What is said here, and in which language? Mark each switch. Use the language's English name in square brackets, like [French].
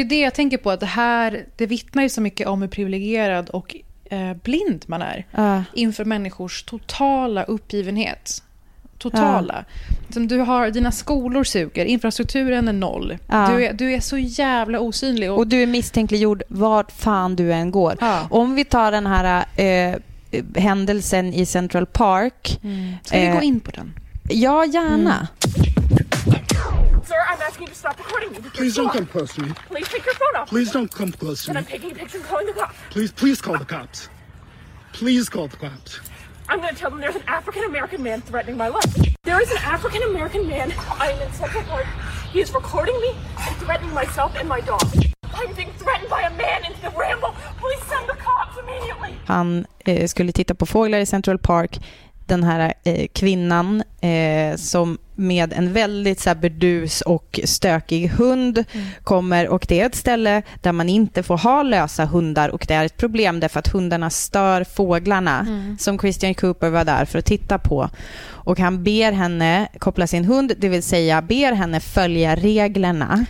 [Swedish] Och det är det jag tänker på, att det vittnar ju så mycket om hur privilegierad och blind man är inför människors totala uppgivenhet. Totala. Du har, dina skolor suger, infrastrukturen är noll. Du är så jävla osynlig. Och du är misstänkliggjord vart fan du än går. Om vi tar den här händelsen i Central Park. Ska vi gå in på den? Ja, gärna. [English] Sir, I'm asking you to stop recording me. Please don't come close to me. Please take your phone off. Please don't come close to me. And I'm taking a picture and calling the cops. Please call the cops. Please call the cops. I'm going to tell them there's an African-American man threatening my life. There is an African-American man. I am in Central Park. He is recording me and threatening myself and my dog. I'm being threatened by a man into the Ramble. Please send the cops immediately. [Swedish] Han skulle titta på fåglar i Central Park. Den här kvinnan som med en väldigt så burdus och stökig hund kommer, och det är ett ställe där man inte får ha lösa hundar, och det är ett problem därför att hundarna stör fåglarna som Christian Cooper var där för att titta på, och han ber henne koppla sin hund, det vill säga ber henne följa reglerna.